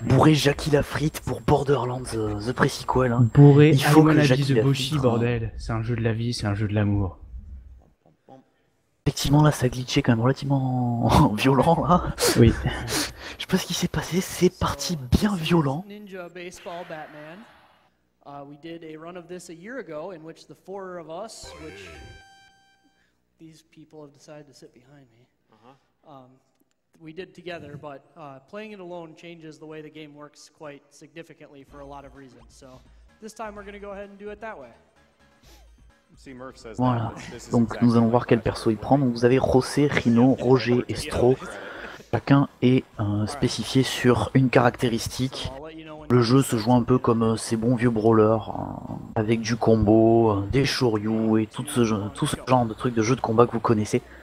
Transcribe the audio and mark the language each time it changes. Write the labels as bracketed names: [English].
[French] Bourrer Jackie Lafritte pour Borderlands The Pre-Sequel. Hein. Bourrer Aluminati The Boshi, bordel. C'est un jeu de la vie, c'est un jeu de l'amour. Effectivement, là, ça a glitché quand même relativement violent. Là. Oui. Je sais pas ce qui s'est passé, c'est parti bien violent. [English] Ninja Baseball Batman. We did a run of this a year ago, in which the four of us, which these people have decided to sit behind me, we did together, but playing it alone changes the way the game works quite significantly for a lot of reasons. So this time we're going to go ahead and do it that way. [French] Voilà, donc nous allons voir quel perso il prend. Donc vous avez José, Rhino, Roger et Stro. Chacun est spécifié sur une caractéristique. Le jeu se joue un peu comme ces bons vieux brawlers, avec du combo, des Shoryu et tout ce genre de trucs de jeux de combat que vous connaissez.